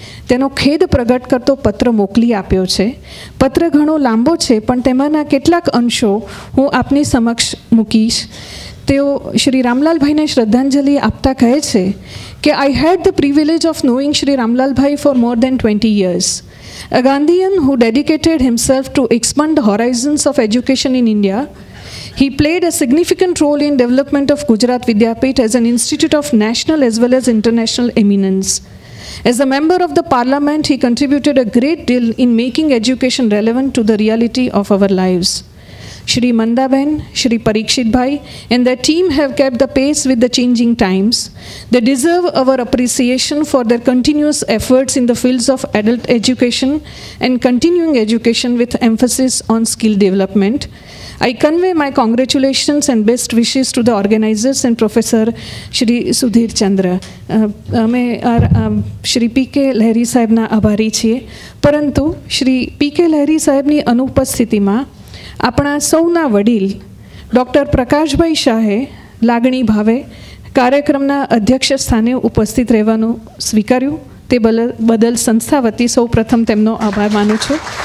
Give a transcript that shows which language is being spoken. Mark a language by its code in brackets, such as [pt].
[gu] તેનો ખેદ પ્રગટ કરતો પત્ર મોકલી આપ્યો છે. પત્ર ઘણો લાંબો છે, પણ તેમાંના કેટલાક અંશો હું આપની સમક્ષ મૂકીશ. તેઓ શ્રી રામલાલભાઈને શ્રદ્ધાંજલિ આપતા કહે છે કે [en] I had the privilege of knowing Shri Ramlalbhai for more than 20 years. A Gandhian who dedicated himself to expand horizons of education in India. He played a significant role in development of Gujarat Vidyapeeth as an institute of national as well as international eminence. As a member of the parliament, he contributed a great deal in making education relevant to the reality of our lives. Shri Mandaben, Shri Parikshit Bhai and their team have kept the pace with the changing times. They deserve our appreciation for their continuous efforts in the fields of adult education and continuing education with emphasis on skill development. I convey my congratulations and best wishes to the organizers and Professor Shri Sudhir Chandra. [gu] અમે શ્રી પી કે લહેરી સાહેબના આભારી છીએ, પરંતુ શ્રી પી કે લહેરી સાહેબની અનુપસ્થિતિમાં આપણા સૌના વડીલ ડૉક્ટર પ્રકાશભાઈ શાહે લાગણી ભાવે કાર્યક્રમના અધ્યક્ષ સ્થાને ઉપસ્થિત રહેવાનું સ્વીકાર્યું, તે બદલ સંસ્થા વતી સૌ પ્રથમ તેમનો આભાર માનું છું.